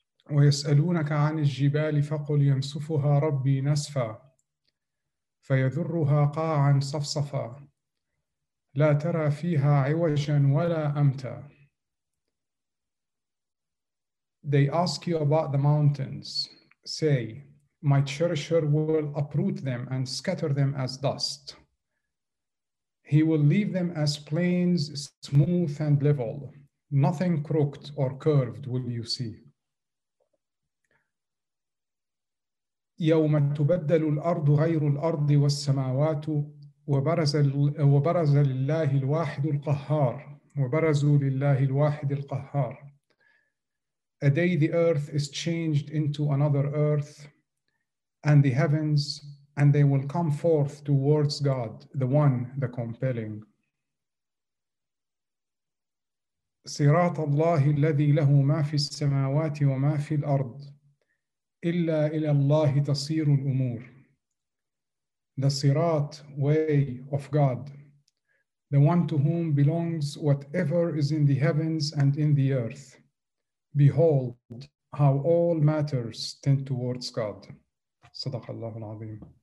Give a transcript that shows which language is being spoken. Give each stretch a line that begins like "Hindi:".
Arabic: ويسألونك عن الجبال فقل ينسفها ربي نسفا فيذرها قاعا صفصفا لا ترى فيها عوجا ولا أمتا.
English: They ask you about the mountains. Say, my cherisher will uproot them and scatter them as dust. He will leave them as plains smooth and level. Nothing crooked or curved will you see.
Arabic: يوم تبدل الأرض غير الأرض والسماوات وبرز لله الواحد القهار وبرزوا لله الواحد القهار.
English: A day the earth is changed into another earth and the heavens and they will come forth towards God, the one, the compelling.
Arabic: صراط الله الذي له ما في السماوات وما في الأرض إلا إلى الله تصير الأمور.
English: The Sirat, way of God, the one to whom belongs whatever is in the heavens and in the earth. Behold how all matters tend towards God.
Arabic: صدق الله العظيم.